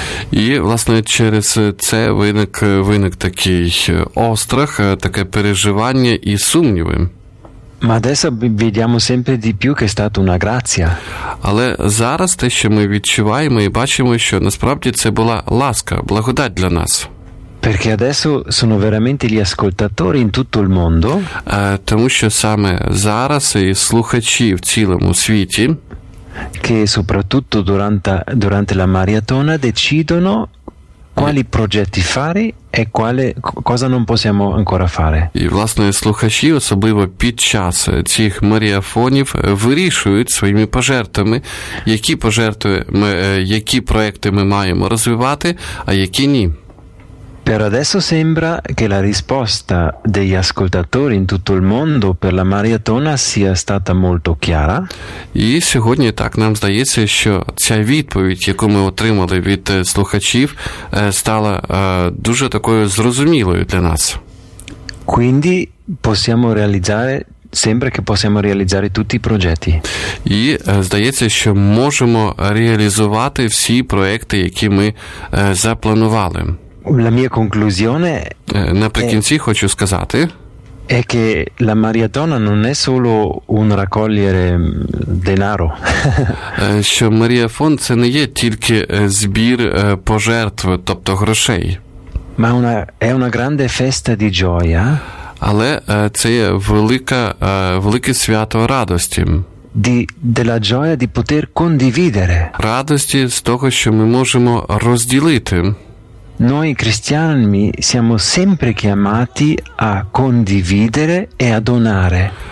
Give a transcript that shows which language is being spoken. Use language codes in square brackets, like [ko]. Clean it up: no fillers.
[uk] І, власне, через це виник такий острах, таке переживання і сумніви. [it] Ma adesso vediamo sempre di più che è stata una grazia. [uk] Але зараз те, що ми відчуваємо і бачимо, що насправді це була ласка, благодать для нас. [it] Perché adesso sono veramente gli ascoltatori in tutto il mondo. [uk] Тому що саме зараз і слухачі в цілому світі, [it] che soprattutto durante la maratona decidono quali progetti fare e quale cosa non possiamo ancora fare. [uk] І власне слухачі, особливо під час цих маріафонів, вирішують своїми пожертвами, які пожертви ми, які проекти ми маємо розвивати, а які ні. [it] Per adesso sembra che la risposta degli ascoltatori in tutto il mondo per la maratona sia stata molto chiara. [uk] І сьогодні так нам здається, що ця відповідь, яку ми отримали від слухачів, стала дуже такою зрозумілою для нас. [it] Quindi possiamo realizzare, sembra che possiamo realizzare tutti i progetti. [uk] І здається, що можемо реалізувати всі проекти, які ми запланували. [it] La mia conclusione, [uk] наприкінці хочу сказати, [it] è che la maratona non è solo un raccogliere denaro. [uk] Що маріафон це не є тільки збір пожертв, тобто грошей. [it] Ma è una grande festa di gioia. [uk] Але це є велике свято радості. [it] Della gioia di poter condividere. [uk] Радості з того, що ми можемо розділити. [it] Noi cristiani siamo sempre chiamati a condividere e a donare.